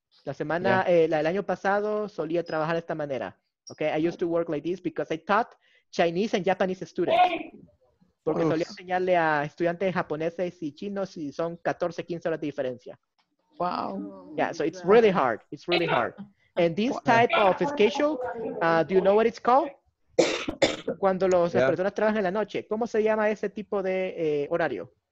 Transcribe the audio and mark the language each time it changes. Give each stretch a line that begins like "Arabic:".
Spanish: El año pasado solía trabajar de esta manera.
English: Okay, I used to work like this because I taught Chinese and Japanese students.
Spanish: Porque solía enseñarle a estudiantes japoneses y chinos y son 14, 15 horas de diferencia.
English: Wow. Yeah, so it's really hard. It's really hard. And this type of schedule, do you know what it's called?
Spanish: Cuando las personas trabajan en la noche, ¿cómo se llama ese tipo de horario?